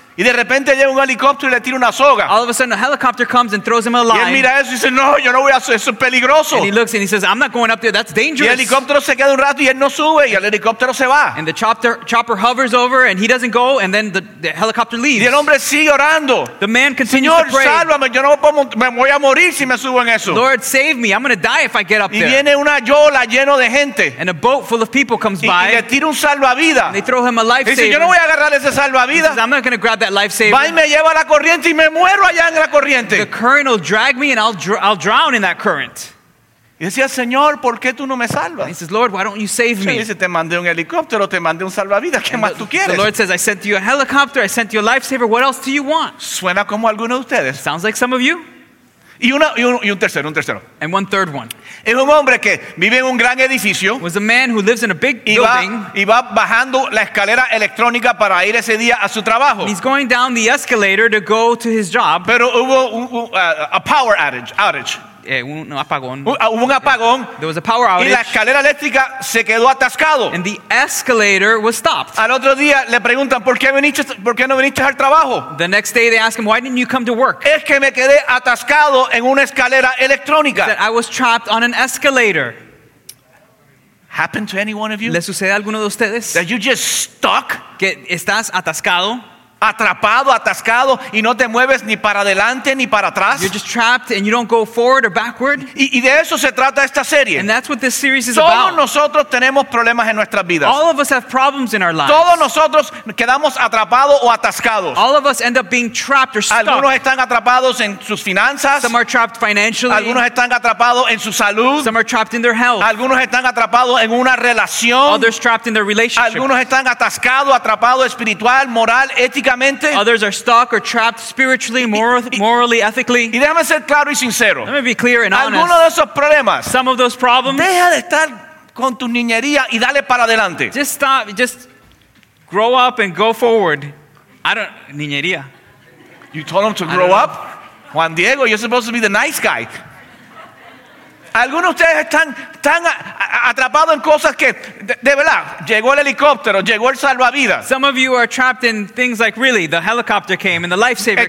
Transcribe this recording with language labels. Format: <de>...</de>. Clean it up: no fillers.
<es>Y de repente llega un helicóptero y le tira una soga.</es> <en>All of a sudden, a helicopter comes and throws him a line.</en> <es>Y él mira eso y dice, no, yo no voy a hacer eso, es peligroso.</es> <en>And he looks and he says, I'm not going up there, that's dangerous.</en> <es>Y el helicóptero se queda un rato y él no sube y el helicóptero se va.</es> <en>And the chopper hovers over and he doesn't go and then the helicopter leaves.</en> <es>Y el hombre sigue orando.</es> <en>The man continues</en> <es>Señor,</es> <en>to pray.</en> <es>Sálvame, yo no me voy a morir si me subo en eso.</es> <en>Lord, save me, I'm going to die if I get up</en> <es>y</es> <en>there.</en> <es>Y viene una yola lleno de gente.</es> <en>And a boat full of people comes</en> <es>y,</es> <en>by.</en> <es>Y le tira un salvavidas.</es> <en>And they throw him a lifesaver.</en> <es>Y dice, yo no voy a agarrar ese salvavidas.</es> <en>He says, I'm not going to grab that lifesaver.</en> <es>Va y me lleva a la corriente y me muero allá en la corriente.</es> <en>The current will drag me and I'll drown in that current.</en> <es>Y decía, Señor, ¿por qué tú no me salvas?</es> <en>And he says, Lord, why don't you save me?</en> <es>Y dice, te mandé un helicóptero, te mandé un salvavidas, ¿qué más tú quieres?</es> <en>The Lord says, I sent you a helicopter, I sent you a lifesaver, what else do you want?</en> <es>Suena como alguno de ustedes.</es> <en>Sounds like some of you.</en> <es>Y un tercero.</es> <en>And one third one.</en> <es>Es un hombre que vive en un gran edificio.</es> <en>Was a man who lives in a big building.</en> <es>Y va bajando la escalera electrónica para ir ese día a su trabajo.</es> <en>And he's going down the escalator to go to his job.</en> <es>Pero hubo</es> <en>a power outage.</en> <es>Un apagón. Hubo un apagón.</es> <en>There was a power outage.</en> <es>Y la escalera eléctrica se quedó atascado.</es> <en>And the escalator was stopped.</en> <es>Al otro día le preguntan, ¿por qué no viniste al trabajo?</es> <en>The next day they ask him, why didn't you come to work?</en> <es>Es que me quedé atascado en una escalera electrónica.</es> <en>That I was trapped on an escalator. Happened to any one of you?</en> <es>¿Le sucede a alguno de ustedes?</es> <en>That you just stuck?</en> <es>Que estás atascado. Atrapado, atascado, y no te mueves ni para adelante ni para atrás.</es> <en>You're just trapped and you don't go forward or backward.</en> <es>Y de eso se trata esta serie.</es> <en>And that's what this series is</en> <es>todos</es> <en>about.</en> <es>Todos nosotros tenemos problemas en nuestras vidas.</es> <en>All of us have problems in our lives.</en> <es>Todos nosotros quedamos atrapados o atascados.</es> <en>All of us end up being trapped or stuck.</en> <es>Algunos están atrapados en sus finanzas.</es> <en>Some are trapped financially.</en> <es>Algunos están atrapados en su salud.</es> <en>Some are trapped in their health.</en> <es>Algunos están atrapados en una relación.</es> <en>Others trapped in their relationship.</en> <es>Algunos están atascados, atrapados espiritual, moral, ético.</es> <en>Others are stuck or trapped spiritually, morally, ethically.</en> <es>Y déjame ser claro y sincero.</es> <en>Let me be clear and honest.</en> <es>Algunos de esos problemas.</es> <en>Some of those problems.</en> <es>Deja de estar con tu niñería y dale para adelante.</es> <en>Just stop. Just grow up and go forward. I don't niñería. You told him to grow up, Juan Diego. You're supposed to be the nice guy.</en> <es>Algunos de ustedes están tan atrapados en cosas que de verdad llegó el helicóptero, llegó el salvavidas.</es> <en>Some of you are trapped in things like really the helicopter came and the lifesaver came.</en>